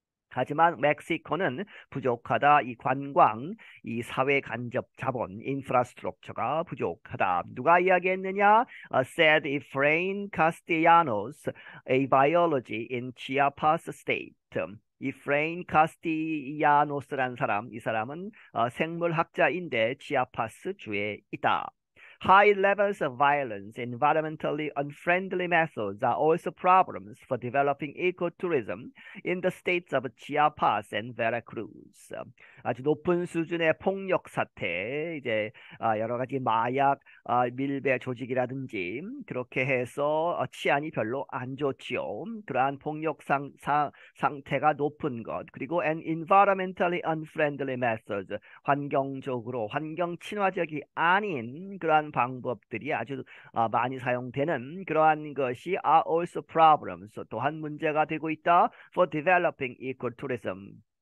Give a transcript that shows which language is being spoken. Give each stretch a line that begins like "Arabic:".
Korean: 하지만 멕시코는 부족하다. 이 관광, 이 사회 간접 자본, 인프라스트럭처가 부족하다. 누가 이야기했느냐?
English: Said Efrain Castellanos, a biology in Chiapas State.
Korean: 이프레인 카스티야노스라는 사람, 이 사람은 생물학자인데 치아파스 주에 있다.
English: High levels of violence, environmentally unfriendly methods are also problems for developing ecotourism in the states of Chiapas and Veracruz.
Korean: 아주 높은 수준의 폭력 사태, 이제 여러 가지 마약 밀배 조직이라든지 그렇게 해서 치안이 별로 안 좋지요. 그러한 폭력 상태가 높은 것, 그리고
English: an environmentally unfriendly methods,
Korean: 환경적으로 환경 친화적이 아닌 그러한 방법들이 아주 많이 사용되는 그러한 것이
English: are also problems,
Korean: 또한 문제가 되고 있다
English: for developing ecotourism.